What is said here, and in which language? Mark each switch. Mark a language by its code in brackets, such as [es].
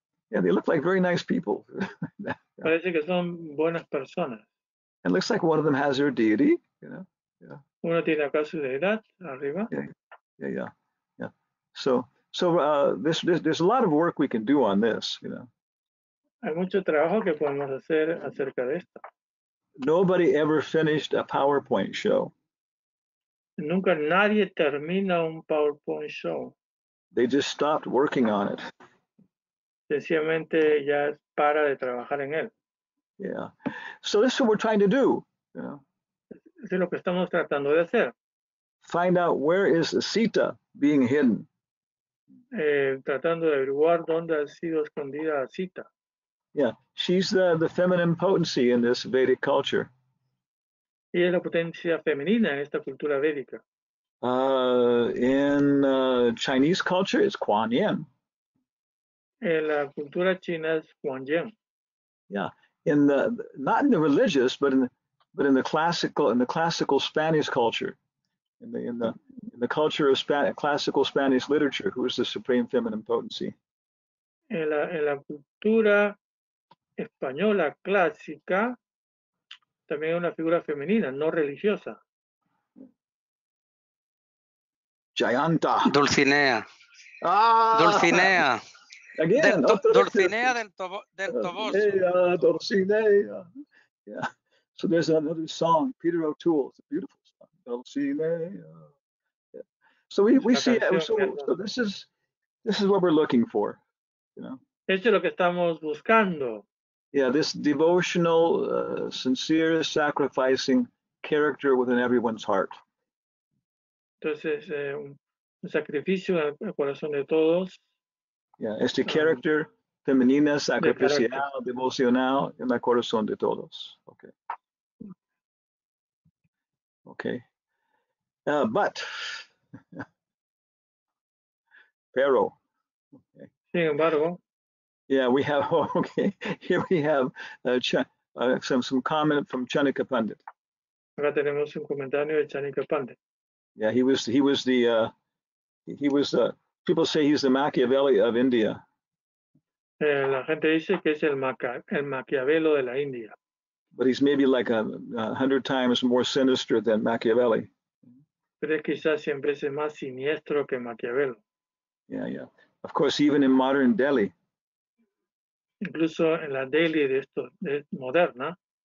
[en] Yeah, they look like very nice people. [es] Parece que son buenas personas. [en] It looks like one of them has her deity, you know? Yeah. [es] Una tiene acá su deidad arriba. [en] Yeah. So there's a lot of work we can do on this, you know. [es] Hay mucho trabajo que podemos hacer acerca de esto. [en] Nobody ever finished a PowerPoint show. [es] Nunca nadie termina un PowerPoint show. [en] They just stopped working on it. [es] Sencillamente ya para de trabajar en él. [en] Yeah. So this is what we're trying to do. [es] Eso es lo que estamos tratando de hacer. [en] Find out where is Sita being hidden. [es] Tratando de averiguar dónde ha sido escondida Sita. [en] Yeah, she's the feminine potency in this Vedic culture. [es] Y es la potencia femenina en esta cultura védica. [en] In Chinese culture, it's Quan Yin. [es] En la cultura china es Quan Yin. [en] Yeah, not in the religious, but in the classical Spanish culture, in the culture of classical Spanish literature, who is the supreme feminine potency? [es] En la cultura española clásica, también una figura femenina, no religiosa. [en] Jayanta. Dulcinea. Ah, Dulcinea. Again, Dulcinea del Toboso. Dulcinea. Yeah. So there's another song, Peter O'Toole. It's a beautiful song. Dulcinea. Yeah. So we see that. So this is what we're looking for. You know. [es] Esto es lo que estamos buscando. [en] Yeah, this devotional, sincere, sacrificing character within everyone's heart. [es] Entonces, un sacrificio en el corazón de todos. Yeah, este character femenina, sacrificial, devocional, en el corazón de todos. Okay. [en] Okay. But. [es] Pero. Okay. Sin embargo. [en] Yeah, we have, okay, here we have some comment from Chanika Pandit. [es] Acá tenemos un comentario de Chanika Pandit. [en] Yeah, he was the people say he's the Machiavelli of India. [es] La gente dice que es el Maquiavelo de la India. [en] But he's maybe like a 100 times more sinister than Machiavelli. [es] Pero es quizás 100 veces más siniestro que Maquiavelo. [en] Yeah. Of course, even in modern Delhi. [es] Incluso en la Delhi de esto de moderna.